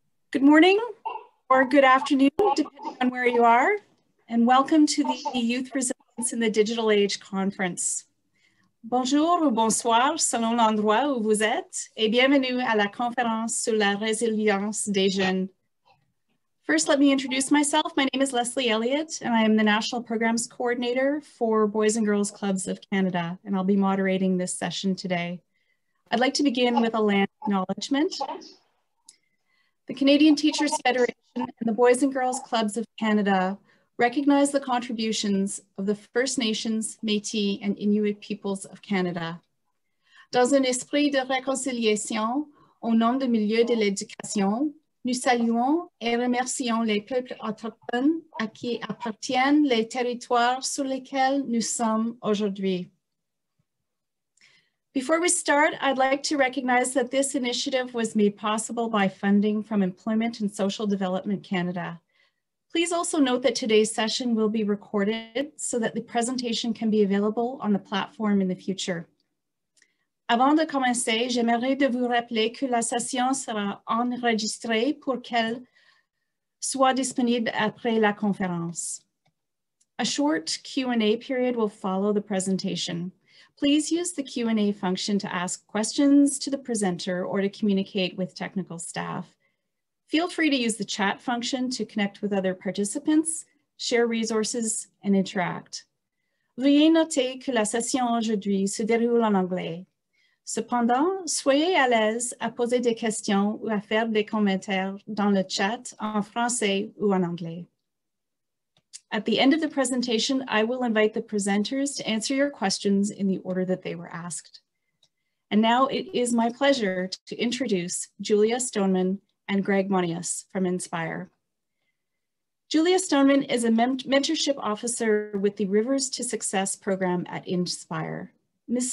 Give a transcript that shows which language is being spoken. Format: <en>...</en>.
<en>Good morning or good afternoon, depending on where you are, and welcome to the Youth Resilience in the Digital Age Conference.</en> <fr>Bonjour ou bonsoir, selon l'endroit où vous êtes, et bienvenue à la conférence sur la résilience des jeunes.</fr> <en>First, let me introduce myself. My name is Leslie Elliott, and I am the National Programs Coordinator for Boys and Girls Clubs of Canada, and I'll be moderating this session today. I'd like to begin with a land acknowledgement. The Canadian Teachers Federation and the Boys and Girls Clubs of Canada recognize the contributions of the First Nations, Métis, and Inuit peoples of Canada.</en> <fr>Dans un esprit de réconciliation, au nom du milieu de l'éducation, nous saluons et remercions les peuples autochtones à qui appartiennent les territoires sur lesquels nous sommes aujourd'hui.</fr> <en>Before we start, I'd like to recognize that this initiative was made possible by funding from Employment and Social Development Canada. Please also note that today's session will be recorded so that the presentation can be available on the platform in the future.</en> <fr>Avant de commencer, j'aimerais vous rappeler que la session sera enregistrée pour qu'elle soit disponible après la conférence.</fr> <en>A short Q&A period will follow the presentation. Please use the Q&A function to ask questions to the presenter or to communicate with technical staff. Feel free to use the chat function to connect with other participants, share resources, and interact.</en> <fr>Veuillez noter que la session aujourd'hui se déroule en anglais. Cependant, soyez à l'aise à poser des questions ou à faire des commentaires dans le chat en français ou en anglais.</fr> <en>At the end of the presentation, I will invite the presenters to answer your questions in the order that they were asked. And now it is my pleasure to introduce Julia Stoneman and Greg Monius from Inspire. Julia Stoneman is a mentorship officer with the Rivers to Success program at Inspire. Ms.</en>